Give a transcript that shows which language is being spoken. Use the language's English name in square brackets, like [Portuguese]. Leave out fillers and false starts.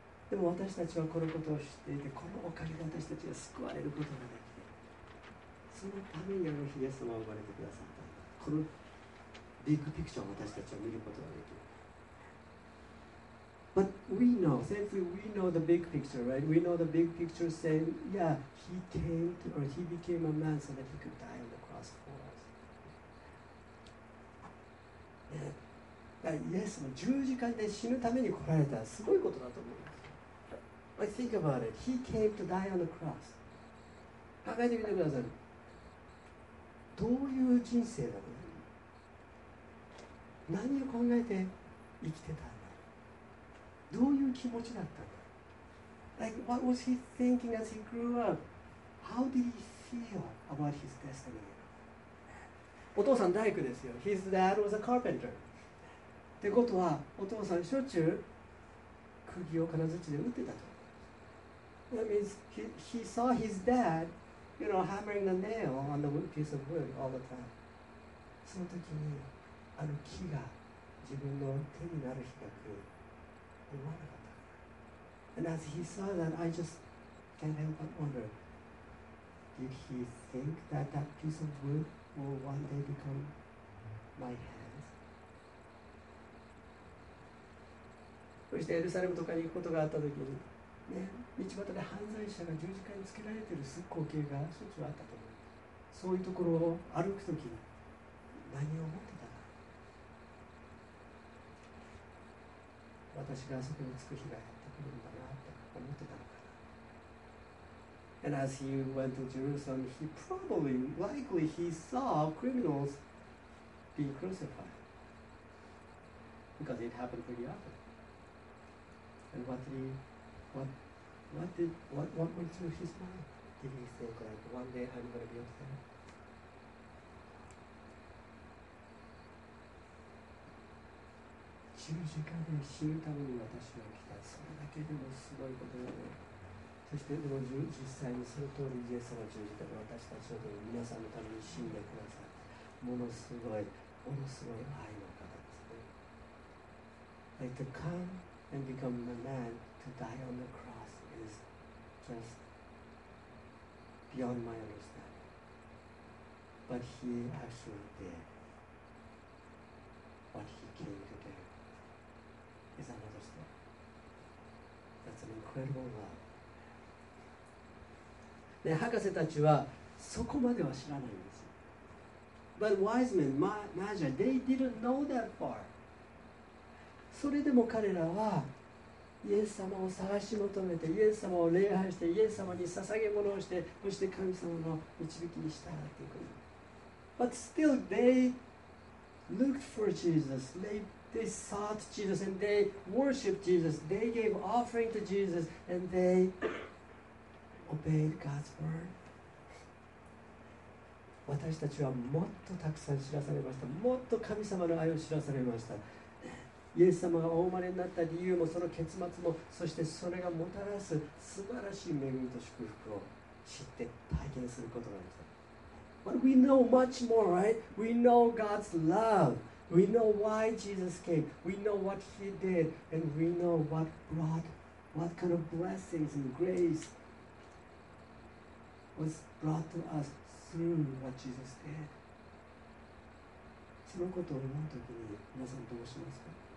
[Japanese] でも私たちはこのことを知っていて、このおかげで私たちが救われることができて、そのためにあのイエス様を生まれてくださった。このビッグピクチャーを私たちは見ることができる。 [English] But we know, thankfully we know the big picture, right? We know the big picture saying, yeah, he came to, or he became a man so that he could die on the cross for us. [Japanese] イエス様、十字架で死ぬために来られたらすごいことだと思う。 [English] But think about it. He came to die on the cross. [Japanese] 考えてみてください。どういう人生だろう。何を考えて生きてたんだ。どういう気持ちだったんだ。 [English] Like what was he thinking as he grew up? How did he feel about his destiny? [Japanese] お父さん大工ですよ。 [English] His dad was a carpenter. [Japanese] ってことはお父さんしょっちゅう釘を金槌で打ってたと。 That means he saw his dad, you know, hammering the nail on the wood, piece of wood all the time. その時にあの木が自分の手になる日が来る。思わなかった。 [English] And as he saw that, I just can't help but wonder, did he think that that piece of wood will one day become my hands? [Japanese] そしてエルサレムとかに行くことがあった時に、ね、道端で犯罪者が十字架につけられている光景がしょっちゅうあったと思う。そういうところを歩くとき何を思ってたのか、私があそこに着く日がやってくるんだなって思ってたのかな。 [English] And as he went to Jerusalem, he probably, likely he saw criminals being crucified because it happened pretty often. And what did he,What went through his mind? Did he think like one day I'm going to be up there? [Japanese] 十字架で死ぬために私は来た。それだけでもすごいことだね。そしてでも実際にその通りイエス様は十字架で私たちの皆さんのために死んでください。ものすごい、ものすごい愛の方ですね。 [English] Like to come and become a man. To die on the cross is just beyond my understanding. But he actually did. What he came to do is another story. That's an incredible love. [Japanese] ね、博士たちはそこまでは知らないんです。 [English] But wise men, magi, they didn't know that far. [Japanese] それでも彼らはイエス様を探し求めて、イエス様を礼拝して、イエス様に捧げ物をして、そして神様の導きに従っていく。 [English] But still they looked for Jesus. They sought Jesus and they worshiped Jesus. They gave offering to Jesus and they obeyed God's word. [Japanese] 私たちはもっとたくさん知らされました。もっと神様の愛を知らされました。イエス様がお生まれになった理由も、その結末も、そしてそれがもたらす素晴らしい恵みと祝福を知って体験することができた。 [English] But we know much more, right? We know God's love. We know why Jesus came. We know what he did. And we know what brought, what kind of blessings and grace was brought to us. What Jesus did. [Japanese] そのことを思うときに皆さんどうしますか?